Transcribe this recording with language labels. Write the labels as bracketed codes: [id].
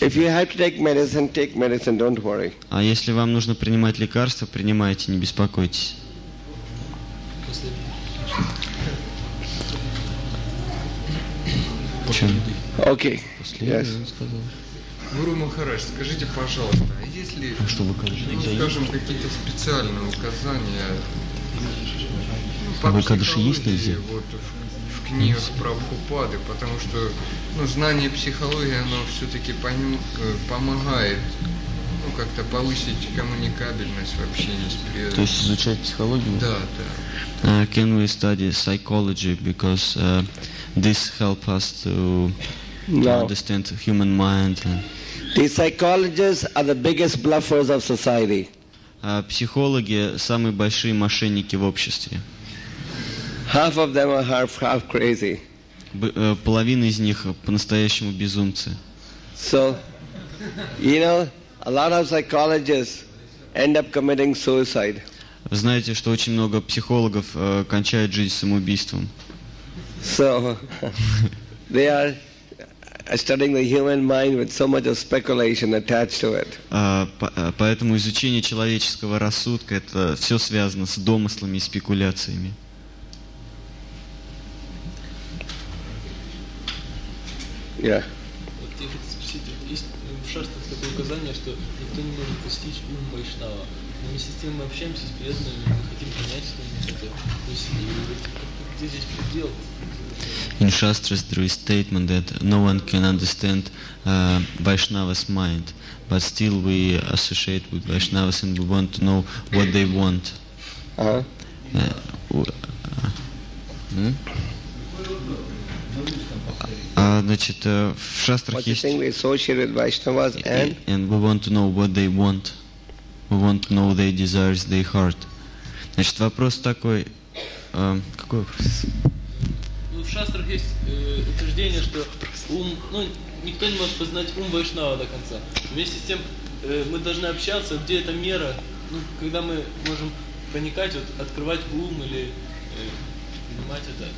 [en] If you have to take medicine, don't worry. [ru] А если вам нужно принимать лекарства, принимайте, не беспокойтесь. [en] Okay. Yes. [ru] Гуру Махарадж, скажите, пожалуйста, а есть ли, скажем, какие-то специальные указания? А вы кадыши есть нельзя? Вот в книгах Прабхупады, потому что знание психологии, оно все-таки помогает как-то повысить коммуникабельность в общении с преданными. То есть изучать психологию? Да, да. [en] Can we study psychology, because this help us to understand the human mind? The psychologists are the biggest bluffers of society. [ru] Психологи – самые большие мошенники в обществе. [en] Half of them are half crazy. [ru] Половина из них по-настоящему безумцы. [en] So, a lot of psychologists end up committing suicide. [ru] Вы знаете, что очень много психологов кончают жизнь самоубийством. [en] So, they are studying the human mind with so much of speculation attached to it. [ru] Поэтому изучение человеческого рассудка — это все связано с домыслами и спекуляциями. [en] Yeah. [ru] Вот я хотел спросить, есть в шастрах такое указание, что никто не может постичь ум вайшнава. Но вместе с тем мы общаемся с преданными, мы хотим понять, что они хотят. То есть, где здесь предел? [en] In Shastras there is statement that no one can understand Vaishnava's mind, but still we associate with Vaishnavas and we want to know what they want. [ru] Значит, в Шастрах есть... [en] And we want to know what they want. We want to know their desires, their heart. [ru] Значит, вопрос такой... Какой вопрос? В шастрах есть утверждение, что ум, никто не может познать ум вайшнава до конца. Вместе с тем мы должны общаться, где эта мера, когда мы можем проникать, открывать ум или понимать это.